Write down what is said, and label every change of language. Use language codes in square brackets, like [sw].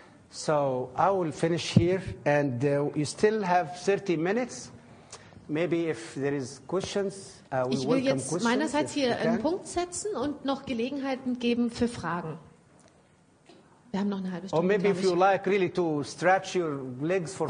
[en] So I will finish here, and you still have 30 minutes. Maybe if there is questions, we welcome questions. [de] Ich will jetzt meinerseits hier einen Punkt setzen und noch Gelegenheiten geben für Fragen. Wir haben noch eine halbe Stunde. [en] Or maybe if you like really to stretch your legs for